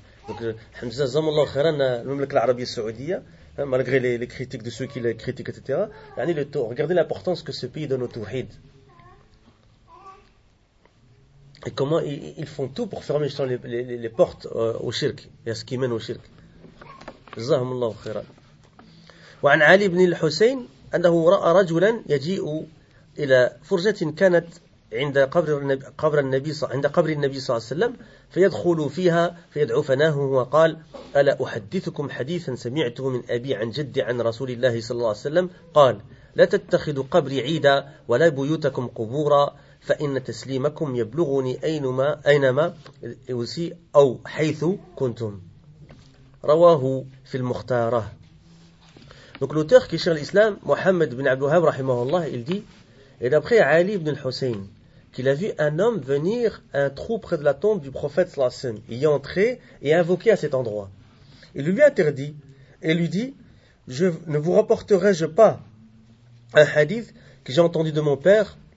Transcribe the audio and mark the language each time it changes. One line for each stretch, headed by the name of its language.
French: Donc,
Arabic: alhamdoulilah khairan,
French: l'Umlaka l'Arabie Saoudia, malgré les critiques de ceux qui les critiquent, etc., regardez l'importance que ce pays donne au Touhid. Et comment ils font tout pour fermer justement les portes au shirk et à ce qui mène au shirk.
Arabic: جزاهم الله خيرا. وعن علي بن الحسين أنه رأى رجلا يجيء إلى فرجة كانت عند قبر النبي صلى الله عليه وسلم فيدخل فيها فيدعو فناه وقال ألا أحدثكم حديثا سمعته من أبي عن جدي عن رسول الله صلى الله عليه وسلم قال لا تتخذوا قبري عيدا ولا بيوتكم قبورا فإن تسليمكم يبلغني أينما أوسي أو حيث كنتم رواه في المختارة.
French: Donc l'auteur qui cherche l'islam, Mohamed bin Abdul Wahhab rahimahullah, il dit, et d'après Ali ibn Hussein, qu'il a vu un homme venir à un trou près de la tombe du prophète
Arabic: sallallahu alayhi wa sallam,
French: y entrer et invoquer à cet endroit. Il lui interdit et lui dit, je ne vous rapporterai-je pas un hadith que j'ai entendu de mon père